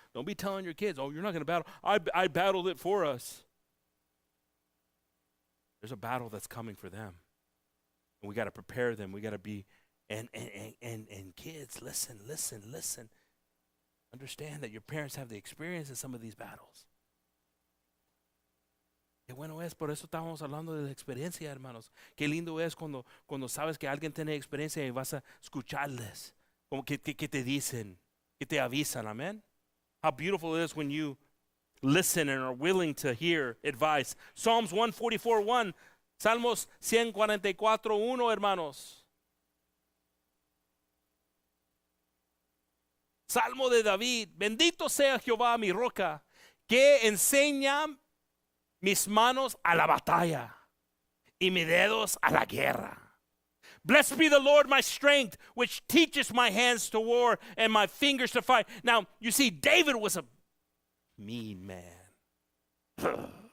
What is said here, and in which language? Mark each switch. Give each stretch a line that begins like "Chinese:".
English: Don't be telling your kids, oh, you're not going to battle. I battled it for us. There's a battle that's coming for them. And we got to prepare them. We got to be, and kids, listen. Understand that your parents have the experience in some of these battles.
Spanish: Qué bueno es, por eso estábamos hablando de la experiencia, hermanos. Qué lindo es cuando sabes que alguien tiene experiencia y vas a escucharles. Como que te dicen, que te avisan, amen.
English: How beautiful it is when you listen and are willing to hear advice.
Spanish: Psalms 144:1, Salmos 144:1, hermanos. Salmo de David, bendito sea Jehová mi roca, que enseña mis manos a la batalla y mis dedos a la guerra.
English: Blessed be the Lord, my strength, which teaches my hands to war and my fingers to fight. Now, you see, David was a mean man.